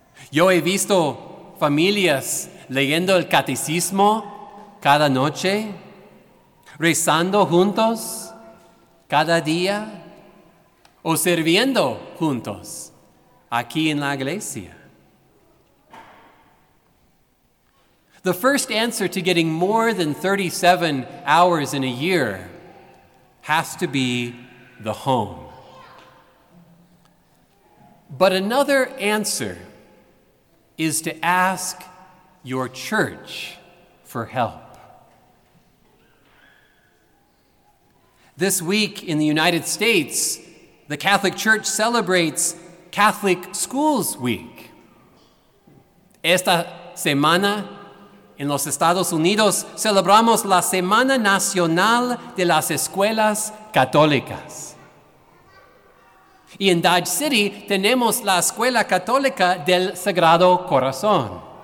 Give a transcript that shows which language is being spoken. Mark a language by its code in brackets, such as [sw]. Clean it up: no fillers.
[es] Yo he visto familias leyendo el catecismo cada noche, rezando juntos cada día o sirviendo juntos aquí en la iglesia. [en] The first answer to getting more than 37 hours in a year has to be the home. But another answer is to ask your church for help. This week in the United States, the Catholic Church celebrates Catholic Schools Week. [es] Esta semana, en los Estados Unidos, celebramos la Semana Nacional de las Escuelas Católicas. Y en Dodge City tenemos la Escuela Católica del Sagrado Corazón.